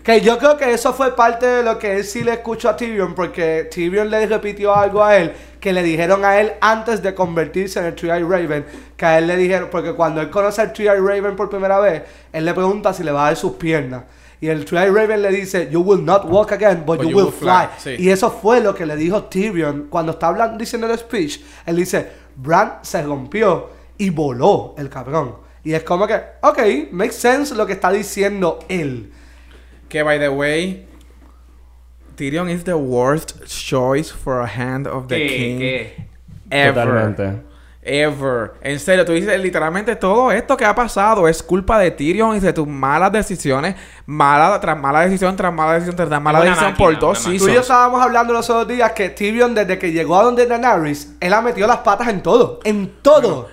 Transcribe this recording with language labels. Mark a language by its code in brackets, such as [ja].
[es] Que yo creo que eso fue parte de lo que él sí le escuchó a Tyrion, porque Tyrion le repitió algo a él que le dijeron a él antes de convertirse en el Three-Eyed Raven, que a él le dijeron, porque cuando él conoce al Three-Eyed Raven por primera vez, él le pregunta si le va a dar sus piernas, y el Three-Eyed Raven le dice, [en] you will not walk again, but you will fly. [es] Sí. Y eso fue lo que le dijo Tyrion cuando está hablando, diciendo el speech. Él dice, Bran se rompió y voló el cabrón, y es como que, ok, [en] makes sense [es] lo que está diciendo él, [en] que by the way, Tyrion is the worst choice for a hand of the king ever. Totalmente. Ever. [es] En serio, tú dices, literalmente todo esto que ha pasado es culpa de Tyrion y de tus malas decisiones. Mala decisión tras mala decisión por dos seasons. Tú y yo estábamos hablando los otros días que Tyrion, desde que llegó a donde Daenerys, él ha metido las patas en todo. En todo.